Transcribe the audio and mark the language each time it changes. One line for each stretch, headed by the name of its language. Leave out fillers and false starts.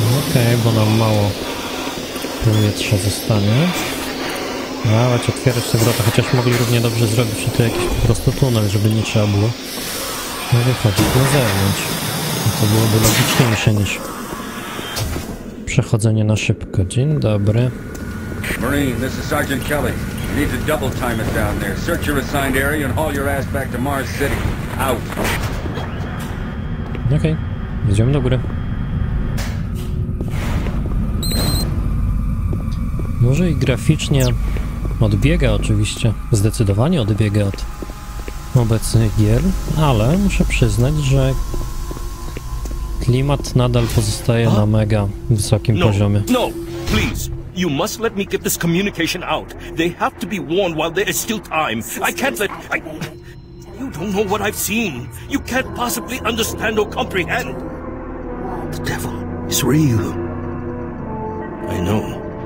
Polish: Okej, bo nam mało powietrza zostanie. Dawać, otwierać te wrota, chociaż mogli równie dobrze zrobić tutaj jakiś po prostu tunel, żeby nie trzeba było wychodzić na zewnątrz. I to byłoby logiczniejsze niż przechodzenie na szybko. Dzień dobry.
English: Marine, this is Sergeant Kelly. You need to double time it down there. Search your assigned area and haul your ass back to Mars City. Out.
Polish: Okej, idziemy do góry. Może i graficznie odbiega oczywiście, zdecydowanie odbiega od obecnych gier, ale muszę przyznać, że klimat nadal pozostaje na mega wysokim poziomie.
English: No, please, you must let me get this communication out. They have to be warned while there is still time. I can't let. You don't know what I've seen. You can't possibly understand or comprehend. The devil is real. I know.